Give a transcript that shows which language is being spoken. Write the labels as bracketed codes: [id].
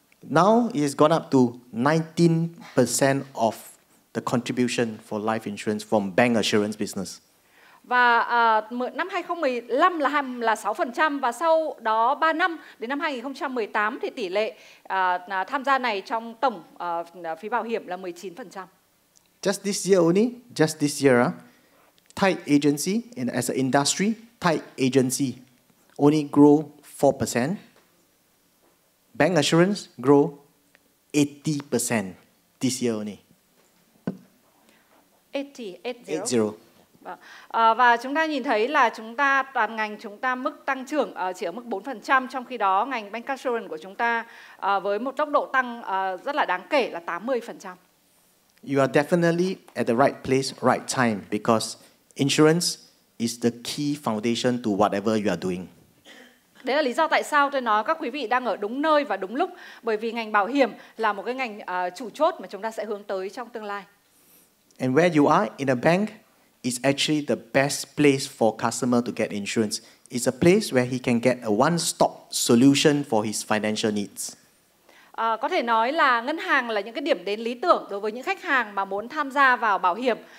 [en] Now it has gone up to 19% of the contribution for life insurance from bancassurance business. [vi] Và năm 2015 là 6%, và sau đó 3 năm đến năm 2018 thì tỷ lệ tham gia này trong tổng phí bảo hiểm là 19%. [en] Just this year only, just this year, tied agency, and as an industry, tied agency only grow 4%. Bank assurance grow 80% this year only. 80. [vi] Và chúng ta nhìn thấy là chúng ta toàn ngành chúng ta mức tăng trưởng chỉ ở mức 4%, trong khi đó ngành bancassurance của chúng ta với một tốc độ tăng rất là đáng kể là 80%. [en] You are definitely at the right place, right time, because insurance is the key foundation to whatever you are doing. [vi] Đấy là lý do tại sao tôi nói các quý vị đang ở đúng nơi và đúng lúc, bởi vì ngành bảo hiểm là một cái ngành chủ chốt mà chúng ta sẽ hướng tới trong tương lai. [en] And where you are in a bank is actually the best place for customer to get insurance. It's a place where he can get a one-stop solution for his financial needs. [vi] Có thể nói là ngân hàng là những cái điểm đến lý tưởng đối với những khách hàng mà muốn tham gia vào bảo hiểm.